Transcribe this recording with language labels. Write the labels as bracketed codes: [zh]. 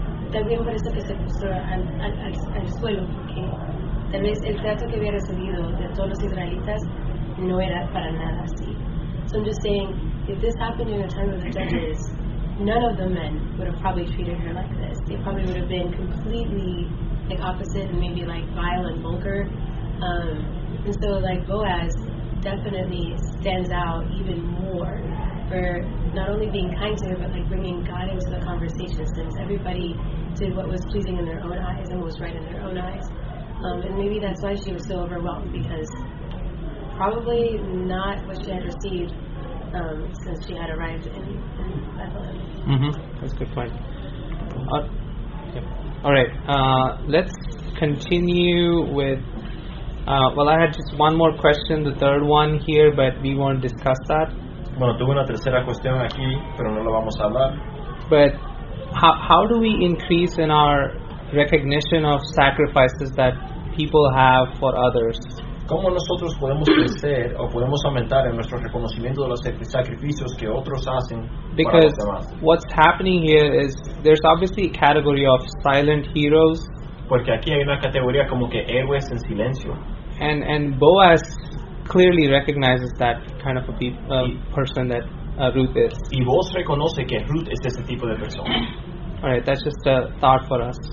[es] También por eso que se puso al suelo, porque tal vez el trato que había recibido de todos los israelitas no era para nada así. [en] So I'm just saying, if this happened in the time of the judges, none of the men would have probably treated her like this. They probably would have been completely like opposite and maybe like vile and vulgar. And so, like, Boaz definitely stands out even more for not only being kind to her, but like bringing God into the conversation, since everybody did what was pleasing in their own eyes and was right in their own eyes. And maybe that's why she was so overwhelmed, because probably not what she had received since she had arrived in Bethlehem. Mm-hmm. That's a good point. Yeah. All right. Let's continue with. Well, I had just one more question, the third one here, but we won't discuss that. [es] Bueno, tuve una tercera cuestión aquí, pero no lo vamos a hablar. [en] But how do we increase in our recognition of sacrifices that people have for others? [es] ¿Cómo nosotros podemos crecer o podemos aumentar en nuestro reconocimiento de los sacrificios que otros hacen para los demás? [en] Because what's happening here is there's obviously a category of silent heroes. [es] Porque aquí hay una categoría como que héroes en silencio. [en] And Boaz clearly recognizes that kind of person that Ruth is. [es] Y Boaz reconoce que Ruth es ese tipo de persona. [en] All right, that's just a thought for us.